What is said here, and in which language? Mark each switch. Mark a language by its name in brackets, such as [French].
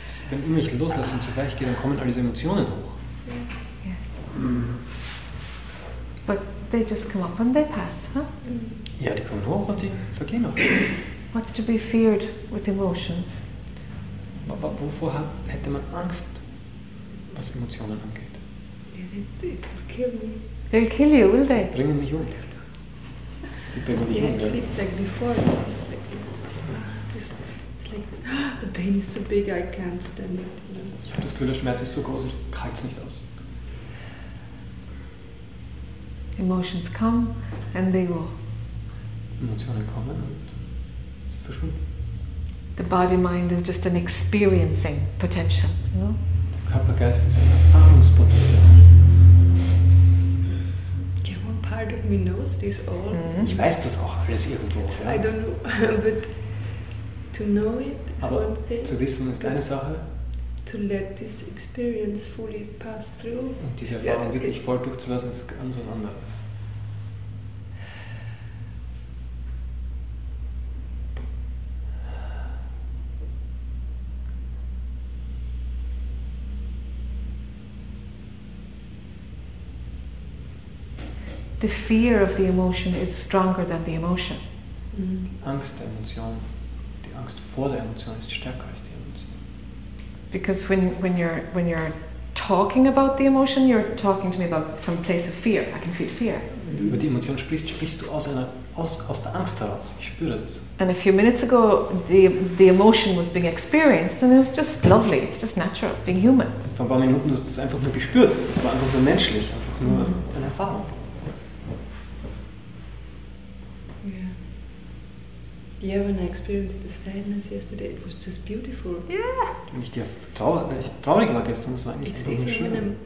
[German] Wenn immer ich loslasse und zu weich gehe, dann kommen all diese Emotionen hoch. Yeah. [English] But they just come up and they pass, huh? [German] Ja, die kommen hoch und die vergehen auch. [English] What's to be feared with emotions? [German] Wovor hätte man Angst, was Emotionen angeht? [English] They'll kill you, will they? [German] Die bringen mich um. Sie bringen dich um. [English] Yeah, it feels like before. It's like this. It's like this. The pain is so big, I can't stand it. [German] Ich habe das Gefühl, der Schmerz ist so groß, ich halte es nicht aus. [English] Emotions come and they go. [German] Emotionen kommen und [English] the body mind is just an experiencing potential, you know? [German] Der Körpergeist ist ein Erfahrungspotenzial. [English] Yeah, one part of me knows this all. Mm-hmm. [German] Ich weiß das auch alles irgendwo. Ja. [English] I don't know, but to know it is [German] aber [English] one thing. [German] Zu wissen ist eine Sache. [English] To let this experience fully pass through. [German] Und diese Erfahrung wirklich voll durchzulassen ist ganz was anderes. [English] The fear of the emotion is stronger than the emotion. [German] Die Angst vor der Emotion ist stärker als die Emotion. [English] Because when you're talking about the emotion, you're talking to me about from a place of fear. I can feel fear. [German] Über die Emotion sprichst du aus einer aus der Angst heraus. Ich spüre das. [English] And a few minutes ago, the emotion was being experienced, and it was just lovely. It's just natural, being human. [German] Vor ein paar Minuten hast du es einfach nur gespürt. Es war einfach nur menschlich, einfach nur eine Erfahrung. [English] Yeah, when I experienced the sadness yesterday, it was just beautiful. Yeah. [German] Wenn ich dir traurig war gestern, das war eigentlich so schön.